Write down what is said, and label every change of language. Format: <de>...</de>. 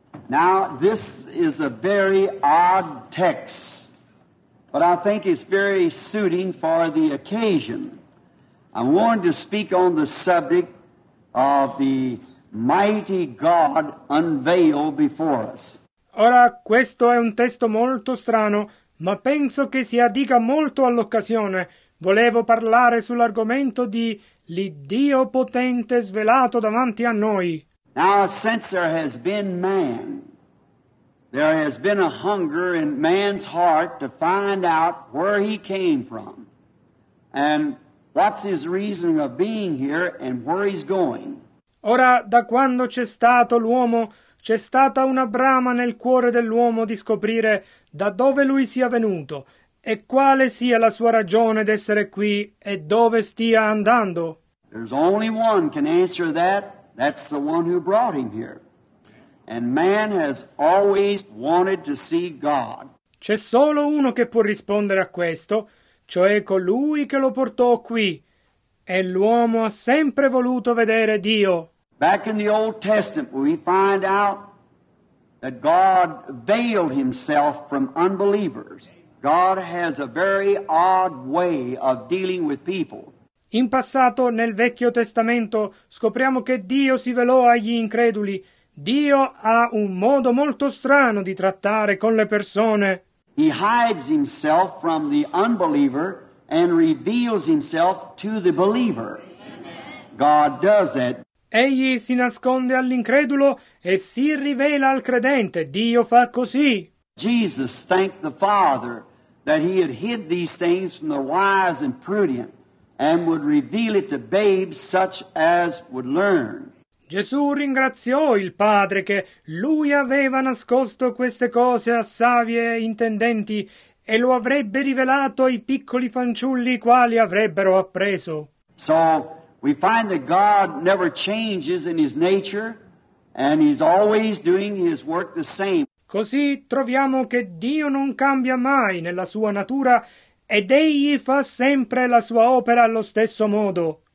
<en>Now, this is a very odd text, but I think it's very suiting for the occasion. I'm wanting to speak on the subject of the mighty God unveiled before us.</en> <it>Ora, questo è un testo molto strano, ma penso che si addica molto all'occasione. Volevo parlare sull'argomento di l'Iddio potente svelato davanti a noi.</it> <en>Now, since there has been man, there has been a hunger in man's heart to find out where he came from and what's his reason of being here and where he's going.</en> <it>Ora, da quando c'è stato l'uomo, c'è stata una brama nel cuore dell'uomo di scoprire da dove lui sia venuto e quale sia la sua ragione d'essere qui e dove stia andando.</it> <en>There's only one can answer that. That's the one who brought him here. And man has always wanted to see God.</en> <it>C'è solo uno che può rispondere a questo, cioè colui che lo portò qui. E l'uomo ha sempre voluto vedere Dio.</it> <en>Back in the Old Testament, we find out that God veiled himself from unbelievers. God has a very odd way of dealing with people.</en> <it>In passato, nel Vecchio Testamento, scopriamo che Dio si velò agli increduli. Dio ha un modo molto strano di trattare con le persone.</it> <en>He hides himself from the unbeliever and reveals himself to the believer. God does it.</en> <it>Egli si nasconde all'incredulo e si rivela al credente. Dio fa così.</it> <en>Jesus thanked the Father that he had hid these things from the wise and prudent and would reveal it to babes such as would learn.</en> <it>Gesù ringraziò il Padre che lui aveva nascosto queste cose a savie e intendenti e lo avrebbe rivelato ai piccoli fanciulli quali avrebbero appreso.</it> <en>So we find that God never changes in his nature and he's always doing his work the same.</en> <it>Così troviamo che Dio non cambia mai nella sua natura ed egli fa sempre la sua opera allo stesso modo.</it>